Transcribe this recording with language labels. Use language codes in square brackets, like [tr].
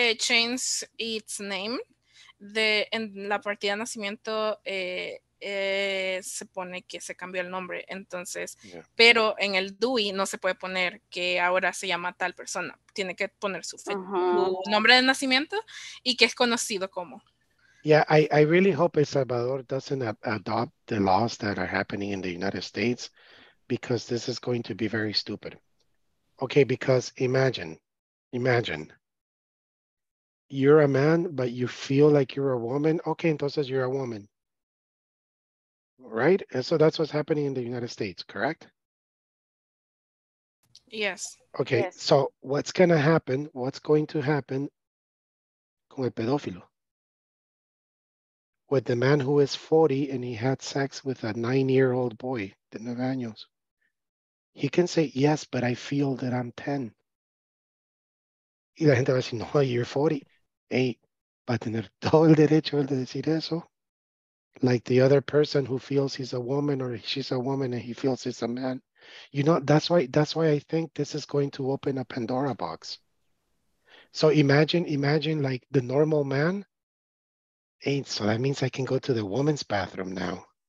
[en] changes its name, [es] en la partida de nacimiento se pone que se cambió el nombre, entonces, yeah. Pero en el DUI no se puede poner que ahora se llama tal persona, tiene que poner su nombre de nacimiento y que es conocido como. [en] Yeah, I really hope El Salvador doesn't adopt the laws that are happening in the United States, because this is going to be very stupid. Okay, because imagine you're a man, but you feel like you're a woman. Okay, [es] entonces [en] you're a woman. Right? And so that's what's happening in the United States, correct? Yes. Okay, yes. So what's going to happen [es] con el pedófilo? [en] With the man who is 40 and he had sex with a 9-year-old boy, the [es] 9 años. [en] He can say, yes, but I feel that I'm 10. [es] Y la gente va a decir, no, [en] you're 40. [es] Hey, va a tener todo el derecho de decir eso. [en] Like the other person who feels he's a woman or she's a woman and he feels he's a man. You know, that's why I think this is going to open a Pandora box. So imagine like the normal man. Hey, so that means I can go to the woman's bathroom now.